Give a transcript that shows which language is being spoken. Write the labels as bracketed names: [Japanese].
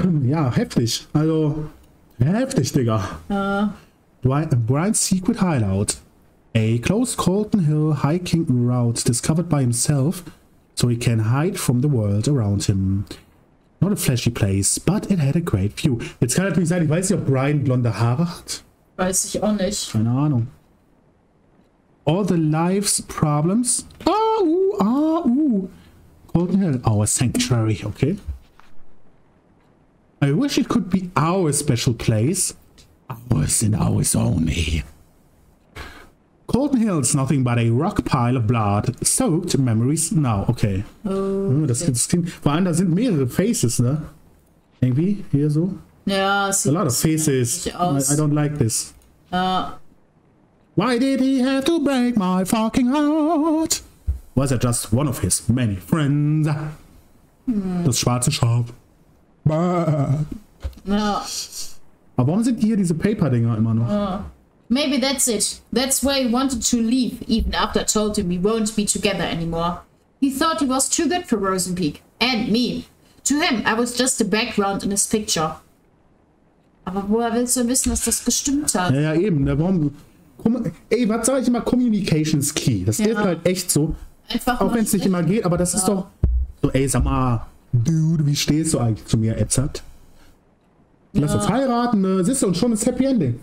[German] Ja, heftig. Also, heftig, Digga. [English] Brian's secret hideout. A close Colton Hill hiking route discovered by himself so he can hide from the world around him. Not a flashy place, but it had a great view. [German] Jetzt kann natürlich sein, ich weiß nicht, ob Brian blonde Haare hat. Weiß ich auch nicht. Keine Ahnung. [English] All the life's problems. Ah, oh, ah, oh. Golden Hill, our sanctuary, okay? I wish it could be our special place. Ours and ours only. Colton Hill's nothing but a rock pile of blood, soaked memories now. Okay. Oh, okay. [German] Das klingt, vor allem, da sind mehrere Faces, ne? Irgendwie, hier so. Ja, [English] sieht a lot of faces. I don't like this. Why did he have to break my fucking heart? Was er just one of his many friends? Hm. [German] Das schwarze Schaf. Ja. Aber warum sind hier diese Paper-Dinger immer noch? [English] Ja. Maybe that's it. That's where he wanted to leave, even after I told him we won't be together anymore. He thought he was too good for Rosen Peak. And me. To him, I was just the background in his picture. [German] Aber woher willst du wissen, dass das gestimmt hat? Ja, ja eben. Ja, warum? Ey, was sag ich immer? [English] Communications Key. [German] Das ja. Ist halt echt so. Einfach auch wenn es nicht immer geht, aber das ja. Ist doch so, ey, sag mal, Dude, wie stehst du eigentlich zu mir, Edzard? Lass uns heiraten, ne? Siehst du, und schon ist Happy Ending.